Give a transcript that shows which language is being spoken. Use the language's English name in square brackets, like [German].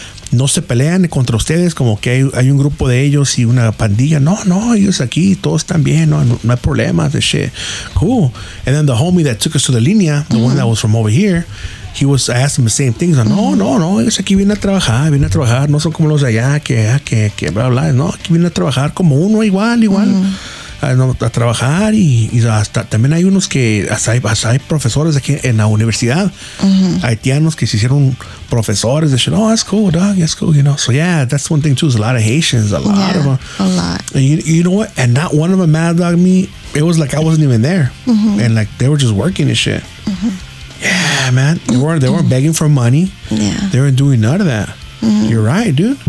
[Spanish] no se pelean contra ustedes, como que hay un grupo de ellos y una pandilla. No, no, ellos aquí, todos están bien, no hay problemas, de shit. [English] Cool. And then the homie that took us to the línea, the one that was from over here, I asked him the same things. [Spanish] Like, no, ellos aquí vienen a trabajar, no son como los de allá, que bla, bla. No, aquí vienen a trabajar como uno, igual. A trabajar y hasta también hay unos que hasta hay profesores aquí en la universidad, haitianos que se hicieron profesores. [English] They said, oh, that's cool, dog, that's cool, you know. So yeah, that's one thing too, is a lot of Haitians, a lot of them. And you know what, and not one of them mad dog me. It was like I wasn't even there, and like they were just working and shit. Yeah, man, they weren't begging for money. Yeah, they weren't doing none of that. You're right, dude.